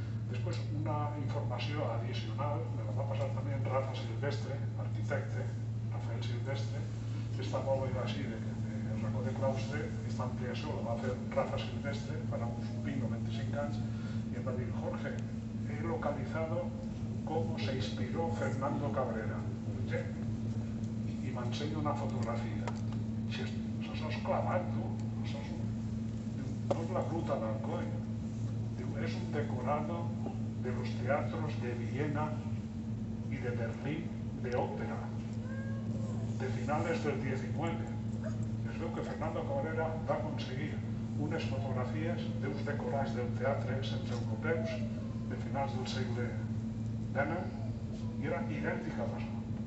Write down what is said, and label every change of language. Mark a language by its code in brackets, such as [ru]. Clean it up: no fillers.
[ca] Després, una informació addicional, me la va passar també en Rafa Silvestre, arquitecte, Rafael Silvestre, esta bola així de racó de claustre, esta ampliació la va fer Rafa Silvestre, para uns 20 o 25 anys, i em va dir, Jorge, [es] he localizado cómo se inspiró Fernando Cabrera. Oye, y me enseña una fotografía. [ca] Això és clavat, tu. Això és no és la gruta d'Alcoy. Diu, és un [es] decorado de los teatros de Viena [ca] i de Berlín, d'òpera. [es] de finales del 19. [ca] Es veu que Fernando Cabrera va aconseguir unes fotografies d'uns decorats del teatre centreeuropeus de finals del segle XIX i era idèntica a la sua.